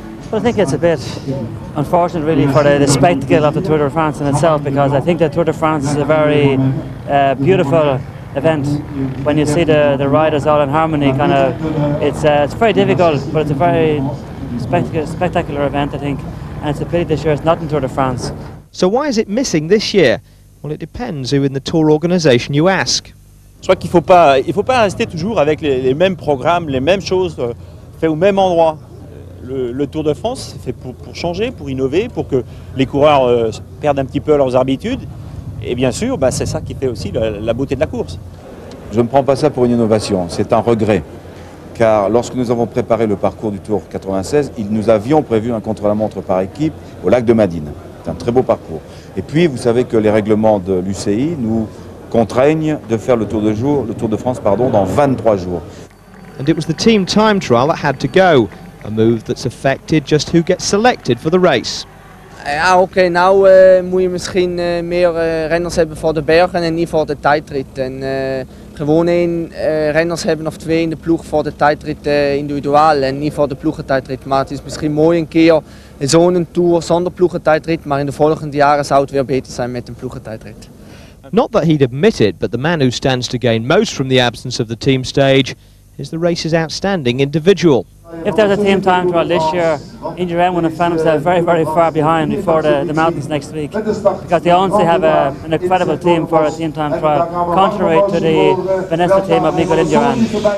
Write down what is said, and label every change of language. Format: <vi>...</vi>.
<en>Well, I think it's a bit unfortunate really for the spectacle of the Tour de France in itself, because I think the Tour de France is a very beautiful event. When you see the riders all in harmony, kind of, it's very difficult, but it's a very spectacular event, I think, and it's a pity this year it's not in Tour de France. So why is it missing this year? Well, it depends who in the Tour organisation you ask.</en> <fr>Je crois qu'il faut pas rester toujours avec les mêmes programmes, les mêmes choses fait au même endroit. Le Tour de France c'est fait pour changer, pour innover, pour que les coureurs perdent un petit peu leurs habitudes. Et bien sûr, bah c'est ça qui fait aussi la beauté de la course. Je ne prends pas ça pour une innovation, c'est un regret. Car lorsque nous avons préparé le parcours du Tour 96, nous avions prévu un contre-la-montre par équipe au lac de Madine. C'est un très beau parcours. Et puis, vous savez que les règlements de l'UCI nous contraignent de faire le Tour de France, dans 23 jours.</fr> <en>And it was the team time trial that had to go. A move that's affected just who gets selected for the race.</en> <nl>Ja, oké. Okay. Nou moet je misschien meer renners hebben voor de bergen en niet voor de tijdrit. En gewoon één renners hebben of twee in de ploeg voor de tijdrit individueel en niet voor de ploegentijdrit. Maar het is misschien mooi een keer zo'n tour zonder ploegentijdrit, maar in de volgende jaren zou het weer beter zijn met een ploegentijdrit.</nl> <en>Not that he'd admit it, but the man who stands to gain most from the absence of the team stage is the race's outstanding individual. If there's a team time trial this year, Indurain would have found himself very, very far behind before the mountains next week. Because they honestly have an incredible team for a team time trial, contrary to the Vanessa team of Miguel Indurain.</en>